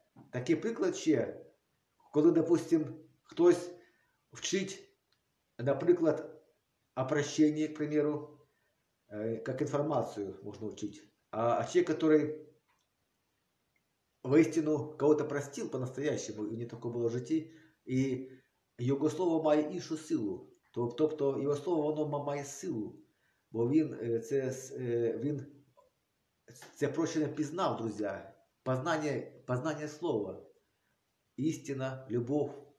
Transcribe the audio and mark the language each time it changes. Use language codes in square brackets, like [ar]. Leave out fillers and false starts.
[uk] Такий приклад ще, коли, допустимо, хтось вчить, наприклад, о прощенні, [ru] к примеру, [uk] як інформацію можна вчити. [ru] А человек, который воистину кого-то простил по-настоящему, у него такое было в жизни, и его слово [uk] має іншу силу. Тобто [ru] его слово, оно [uk] має силу. Бо він це прощення пізнав, друзі. Познання слова. Істина, любов.